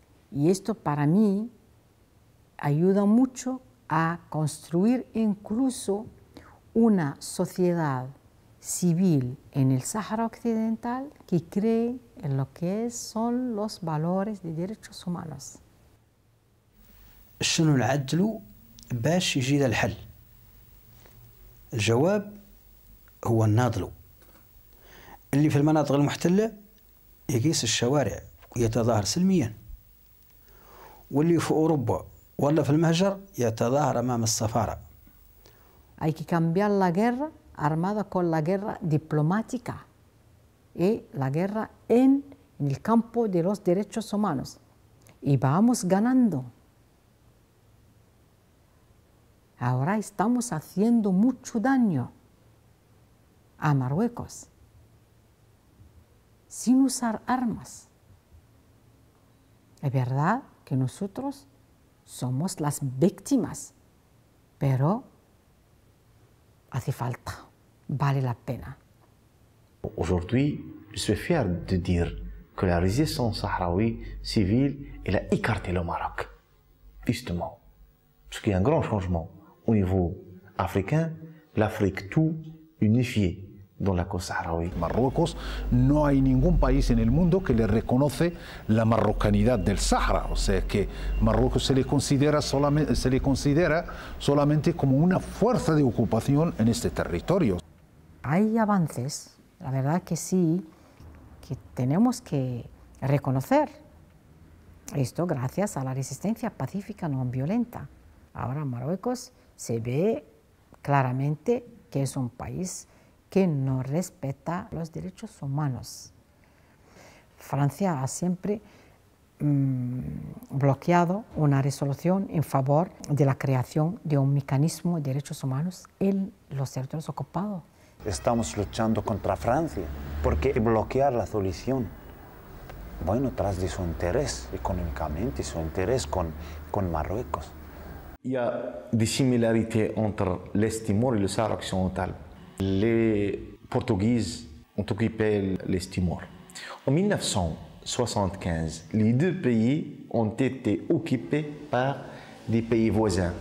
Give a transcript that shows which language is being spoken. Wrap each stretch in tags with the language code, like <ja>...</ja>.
<es>Y esto para mí ayuda mucho a construir incluso una sociedad civil en el Sáhara Occidental que cree en lo que son los valores de derechos humanos.</es> <ar>شنو العدل باش يجي للحل؟ الجواب هو الناضل اللي في المناطق المحتلة يقيس الشوارع ويتظاهر سلميا، واللي في أوروبا ولا في المهجر يتظاهر أمام السفارة.</ar> <es>Hay que cambiar la guerra armada con la guerra diplomática y la guerra en el campo de los derechos humanos. Y vamos ganando. Ahora estamos haciendo mucho daño a Marruecos sin usar armas. Es verdad que nosotros somos las víctimas, pero hace falta, vale la pena.</es> <fr>Aujourd'hui, je suis fier de dire que la résistance sahraoui civile, elle a écarté le Maroc. Justement, ce qui est un grand changement au niveau africain, l'Afrique tout unifiée dans la cause sahraoui.</fr> <es>Marruecos, no hay ningún país en el mundo que le reconoce la marrocanidad del Sahara, o sea que Marruecos se le considera solamente como una fuerza de ocupación en este territorio. Hay avances, la verdad que sí, que tenemos que reconocer esto gracias a la resistencia pacífica no violenta. Ahora Marruecos se ve claramente que es un país que no respeta los derechos humanos. Francia ha siempre bloqueado una resolución en favor de la creación de un mecanismo de derechos humanos en los territorios ocupados. Estamos luchando contra Francia porque bloquear la solución, bueno, tras de su interés económicamente, su interés con Marruecos.</es> <fr>Il y a des similarités entre l'Est Timor et le Sahara occidental. Les Portugais ont occupé l'Est Timor. En 1975, les deux pays ont été occupés par des pays voisins.</fr>